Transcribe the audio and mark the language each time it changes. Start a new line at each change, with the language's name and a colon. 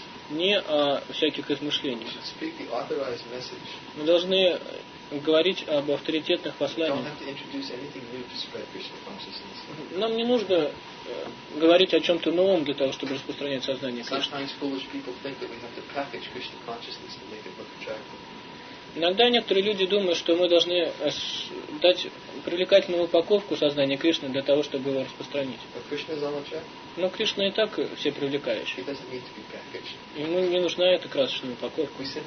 Russian: не о всяких измышлениях.
English: We should speak the authorized message.
Russian: Мы должны говорить об авторитетных посланиях.
English: We don't have to introduce anything new to spread Krishna consciousness.
Russian: Нам не нужно говорить о чем-то новом для того, чтобы распространять сознание Кришны.
English: Sometimes foolish people think that we have to package Krishna consciousness to make it look attractive.
Russian: Иногда некоторые люди думают, что мы должны дать привлекательную упаковку сознания Кришны для того, чтобы его распространить. Но Кришна и так все привлекающий. Ему не нужна эта красочная упаковка.